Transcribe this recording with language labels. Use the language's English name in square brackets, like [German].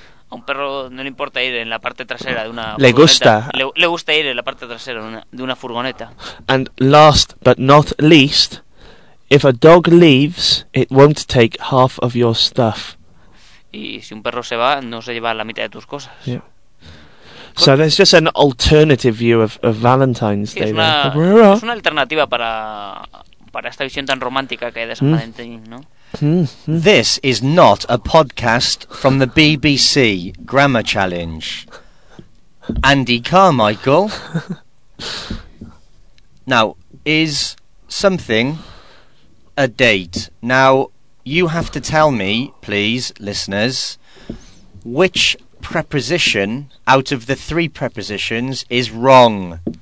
[Spanish] A un perro no le importa ir en la parte trasera de una furgoneta. Le gusta ir en la parte trasera de una furgoneta. [English] And last but not least, if a dog leaves, it won't take half of your stuff. [Spanish] Y si un perro se va, no se lleva la mitad de tus cosas. [English] Yeah. So there's just an alternative view of Valentine's Day. [Spanish] Es una alternativa para esta visión tan romántica que hay de San Valentín, ¿no? [English] This is not a podcast from the BBC Grammar Challenge. Andy Carmichael. Now, is something a date? Now, you have to tell me, please, listeners, which preposition out of the three prepositions is wrong.